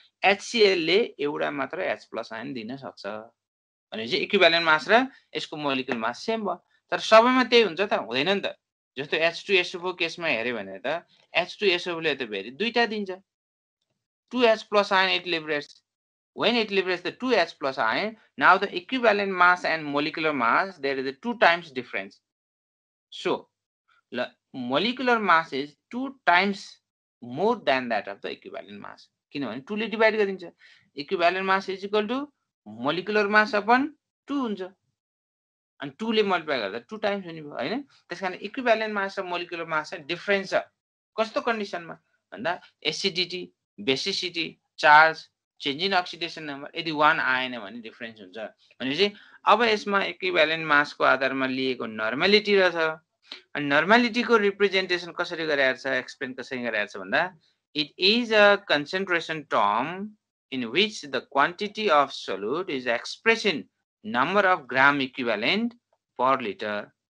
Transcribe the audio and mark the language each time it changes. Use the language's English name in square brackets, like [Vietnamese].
[Nepali] HClले एउटा मात्र H plus ion दिन सक्छ भने चाहिँ इक्विभ्यालेन्ट मास र यसको मोलिकुल मास सेम भयो. तर सबैमा त्यही हुन्छ त हुँदैन नि त. जस्तो H2SO4 केसमा हेऱ्यो भने त H2SO4ले त फेरि दुईवटा दिन्छ 2H plus ion [English] It liberates. When it liberates the 2H plus ion, now the equivalent mass and molecular mass, there is a 2 times difference. So, the molecular mass is 2 times more than that of the equivalent mass. [Nepali] Kinavane 2 le divide garincha. [English] Equivalent mass is equal to molecular mass upon 2 [Nepali] huncha. [English] And 2 le multiply [Nepali] garda 2 times huni bhayo haina. [English] Tyaskarane equivalent mass and molecular mass are difference. [Nepali] Kasto condition ma? Bhanda acidity, basicity, charge. Change in oxidation number यदि one आएन भने difference हुन्छ. भनेपछि अब यसमा equivalent मासको आधारमा लिएको normality रहेछ. अनि नर्मालिटीको रिप्रेजेन्टेसन कसरी गराएर छ एक्सप्लेन कसरी गराएर छ भन्दा [English] It is a concentration term in which the quantity of solute is express in number of gram equivalent per litre.